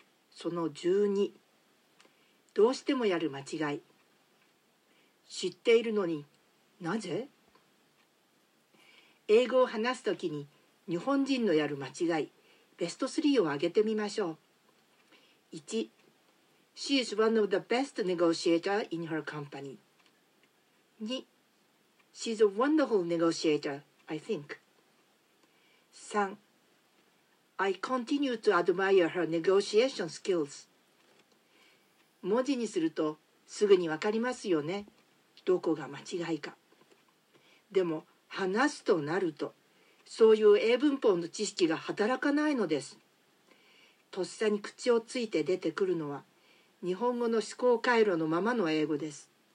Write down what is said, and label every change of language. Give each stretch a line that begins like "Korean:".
Japanese: その12、どうしてもやる間違い。知っているのになぜ？英語を話すときに日本人のやる間違い、ベスト3を挙げてみましょう。
English: 1、 She is one of the best negotiator in her company. 2、 She's a wonderful negotiator, I think. 3、I continue to admire her negotiation skills.
Japanese: 文字にするとすぐに分かりますよね。どこが間違いか。でも話すとなるとそういう英文法の知識が働かないのです。とっさに口をついて出てくるのは日本語の思考回路のままの英語です。